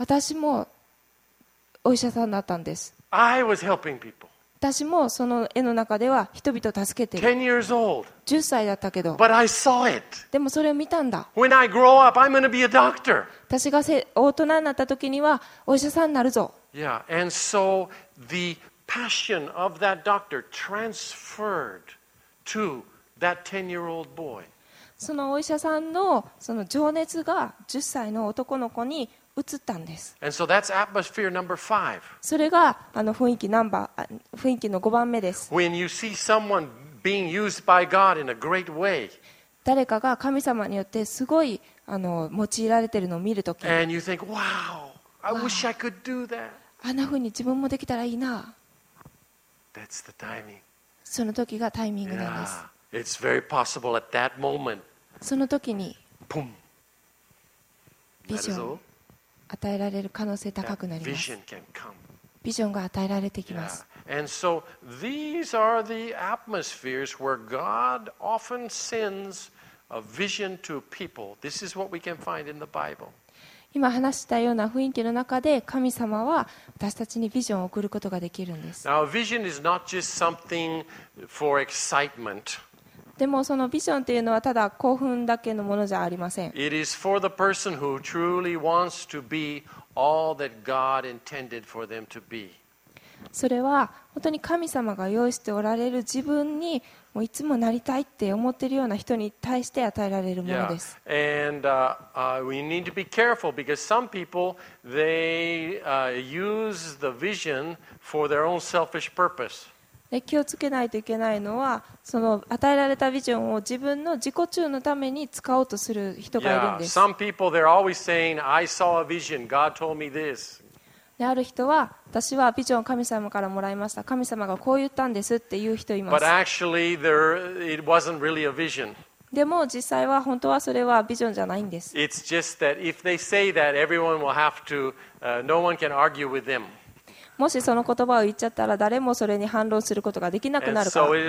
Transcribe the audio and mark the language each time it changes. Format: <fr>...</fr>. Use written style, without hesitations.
<ja>私もお医者さんだったんです。私もその絵の中では人々を助けている</ja> <en>。10 years old.</en> <ja>10歳だったけど。</ja> <en>But I saw it.</en> <ja>でもそれを見たんだ。</ja> <en>When I grow up, I'm going to be a doctor.</en> <ja>私が大人になった時にはお医者さんになるぞ。</ja> <en>Yeah, and so the passion of that doctor transferred to that 10-year-old boy.</en> <ja>そのお医者さんのその情熱が10歳の男の子に映ったんです。</ja> <en>And so that's atmosphere number five.</en> <ja>それが雰囲気の5番目です。</ja> <en>When you see someone being used by God in a great way,</en> <ja>誰かが神様によってすごい用いられているのを見るとき、</ja> <en>And you think, wow, I wish I could do that.</en> <ja>あんな風に自分もできたらいいな。</ja> <en>That's the timing.</en> <ja>その時がタイミングなんです。</ja> <en>Yeah, it's very possible at that moment.</en> <ja>その時に、ポン。ビジョン。与えられる可能性高くなります。ビジョンが与えられてきます。</ja> <en>And so these are the atmospheres where God often sends a vision to people. This is what we can find in the Bible.</en> <ja>今話したような雰囲気の中で神様は私たちにビジョンを送ることができるんです。</ja> <en>Now, vision is not just something for excitement.</en> <ja>でもそのビジョンというのはただ興奮だけのものじゃありません。</ja> <en>It is for the person who truly wants to be all that God intended for them to be.</en> <ja>それは本当に神様が用意しておられる自分にもういつもなりたいって思っているような人に対して与えられるものです。</ja> <en>Yeah. And we need to be careful because some people they use the vision for their own selfish purpose.</en> <ja>で気をつけないといけないのは、その与えられたビジョンを自分の自己中のために使おうとする人がいるんです。</ja> <en>Yeah, some people, they're always saying, I saw a vision. God told me this.</en> <ja>で、ある人は、私はビジョンを神様からもらいました。神様がこう言ったんですっていう人います。</ja> <en>But actually, it wasn't really a vision.</en> <ja>でも実際は本当はそれはビジョンじゃないんです。</ja> <en>It's just that if they say that, everyone will have to, no one can argue with them.</en> <ja>もしその言葉を言っちゃったら誰もそれに反論することができなくなるから。</ja>